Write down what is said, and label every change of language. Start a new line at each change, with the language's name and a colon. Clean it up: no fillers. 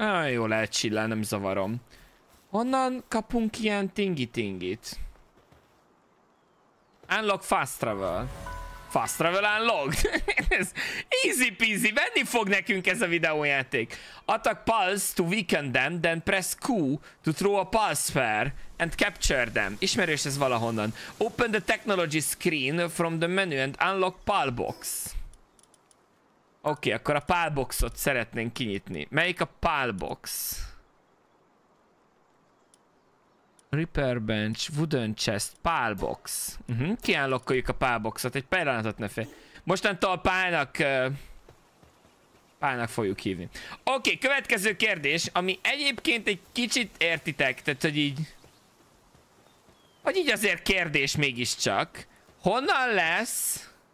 Hungarian: Jó, lehet chillen, nem zavarom. Honnan kapunk ilyen tingi-tingit?
English: Unlock fast travel. Fast travel unlocked?
Hungarian: Ez easy peasy, venni fog nekünk ez a videójáték.
English: Attack pulse to weaken them, then press Q to throw a pulse fair and capture them.
Hungarian: Ismerős ez valahonnan.
English: Open the technology screen from the menu and unlock pal box.
Hungarian: Oké, akkor a pal boxot szeretnénk kinyitni. Melyik a pal box?
English: Repair bench, wooden chest, pal box.
Hungarian: Kiállokkoljuk a pal boxot, egy pillanatot ne félj. Mostantól pálnak... pálnak fogjuk hívni. Oké, következő kérdés, ami egyébként egy kicsit értitek, tehát hogy így... Vagy így azért kérdés mégiscsak. Honnan lesz...